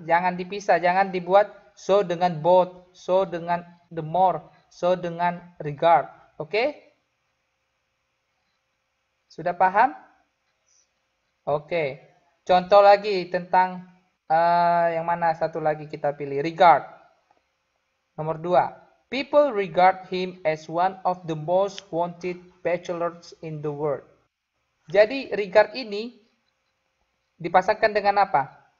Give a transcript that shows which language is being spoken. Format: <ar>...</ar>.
<id>Jangan dipisah, jangan dibuat so dengan both, so dengan</id> <en>the more,</en> <id>so dengan regard. Oke? Okay? Sudah paham? Oke. Okay. Contoh lagi tentang yang mana satu lagi kita pilih? Regard. Nomor dua.</id> <en>People regard him as one of the most wanted bachelors in the world.</en> <id>Jadi, regard ini dipasangkan dengan apa?</id>